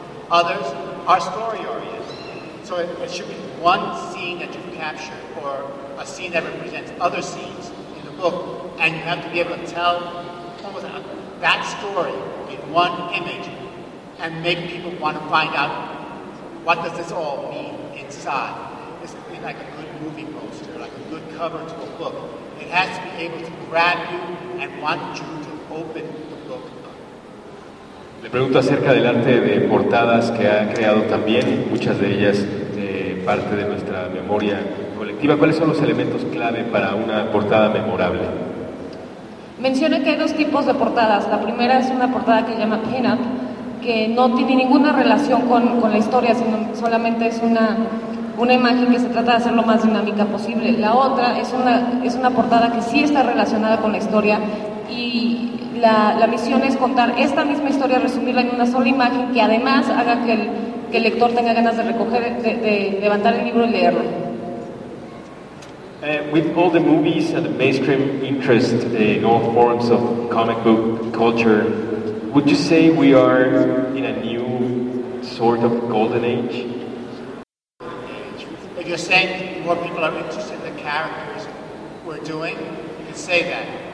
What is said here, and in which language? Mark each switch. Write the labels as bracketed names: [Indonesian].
[English] Others are story-oriented. So it should be one scene that you've captured, or a scene that represents other scenes in the book, and you have to be able to tell that story in one image and make people want to find out what does this all mean inside. This could be like a good movie poster, like a good cover to a book. It has to be able to grab you and want you to open the book. [Spanish] Le pregunto acerca del arte de portadas que ha creado también, muchas de ellas parte de nuestra memoria colectiva. ¿Cuáles son los elementos clave para una portada memorable? Menciona que hay dos tipos de portadas. La primera es una portada que se llama pin-up, que no tiene ninguna relación con la historia, sino solamente es una imagen que se trata de hacer lo más dinámica posible. La otra es una portada que sí está relacionada con la historia, y la misión es contar esta misma historia, resumirla en una sola imagen, que además haga que el lector tenga ganas de recoger, de levantar el libro y leerlo. [English] With all the movies and the mainstream interest in all forms of comic book culture, would you say we are in a new sort of golden age? If you're saying more people are interested in the characters we're doing, you can say that.